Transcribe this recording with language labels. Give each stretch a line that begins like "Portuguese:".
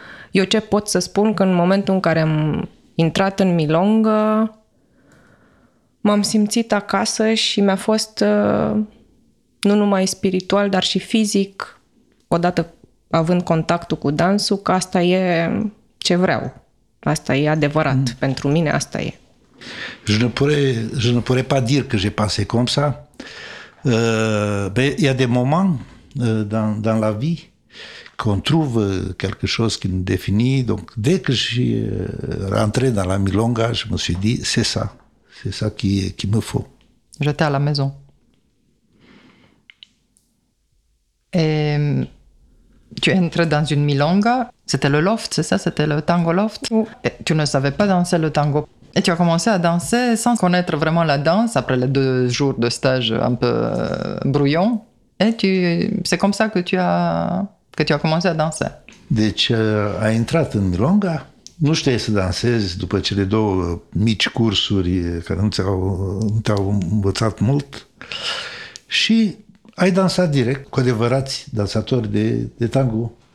Romanian: Eu ce pot să spun? Că în momentul în care am intrat în milongă, m-am simțit acasă și mi-a fost nu numai spiritual, dar și fizic, odată având contactul cu dansul, că asta e ce vreau. Asta e adevărat. Mm. Pentru mine asta e.
French: Je ne pourrais pas dire que j'ai pensé comme ça. Il y a des moments dans la vie qu'on trouve quelque chose qui nous définit. Donc, dès que je suis rentré dans la milonga, je me suis dit, c'est ça. C'est ça qui me faut. J'étais à la maison. Tu entres dans une milonga, c'était le loft, c'est ça, c'était le tango loft. Oui. Et tu ne savais pas danser le tango. Et tu as commencé à danser sans connaître vraiment la danse, après les deux jours de stage un peu brouillon. Et c'est comme ça que tu as commencé à danser.
Romanian: Donc, a intrat în milonga, nu știai să dansezi după cele două mici cursuri care nu te-au învățat mult. Și ai dansat direct cu adevărați dansatori de tango.